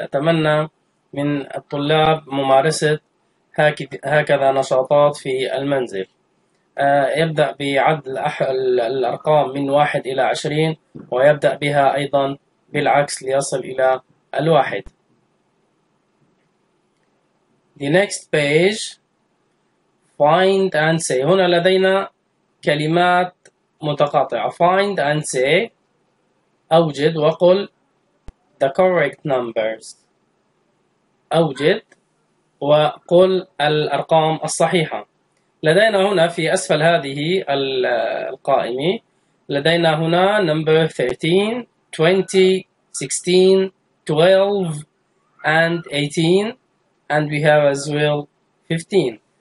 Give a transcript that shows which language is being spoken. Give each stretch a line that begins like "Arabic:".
Arabic: أتمنى من الطلاب ممارسة هكذا نشاطات في المنزل. يبدأ بعد الأرقام من 1 إلى 20 ويبدأ بها أيضا بالعكس ليصل إلى الواحد.
English: The next page, find and say.
Arabic: هنا لدينا كلمات متقاطعة.
English: Find and say.
Arabic: أوجد وقل
English: the correct numbers.
Arabic: أوجد وقل الأرقام الصحيحة. لدينا هنا في أسفل هذه القائمة لدينا هنا
English: number 13, 20, 16, 12, and 18, and we have as well 15.